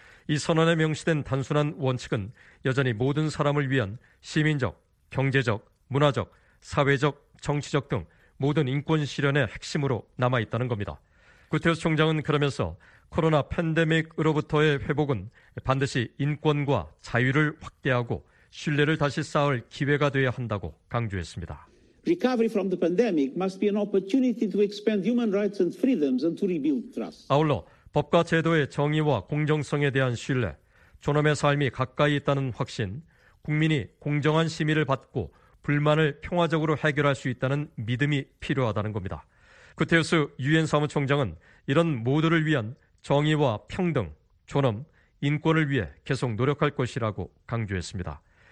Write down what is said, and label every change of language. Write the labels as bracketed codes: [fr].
[ko] 이 선언에 명시된 단순한 원칙은 여전히 모든 사람을 위한 시민적, 경제적, 문화적, 사회적, 정치적 등 모든 인권 실현의 핵심으로 남아있다는 겁니다. 구테우스 총장은 그러면서 코로나 팬데믹으로부터의 회복은 반드시 인권과 자유를 확대하고 신뢰를 다시 쌓을 기회가 되어야 한다고 강조했습니다. [en] Recovery from the pandemic must be an opportunity to expand human rights and freedoms and to rebuild trust. [ko] 아울러 법과 제도의 정의와 공정성에 대한 신뢰, 존엄의 삶이 가까이 있다는 확신, 국민이 공정한 심의를 받고 불만을 평화적으로 해결할 수 있다는 믿음이 필요하다는 겁니다. 구테우스 유엔 사무총장은 이런 모두를 위한 정의와 평등, 존엄, 인권을 위해 계속 노력할 것이라고 강조했습니다.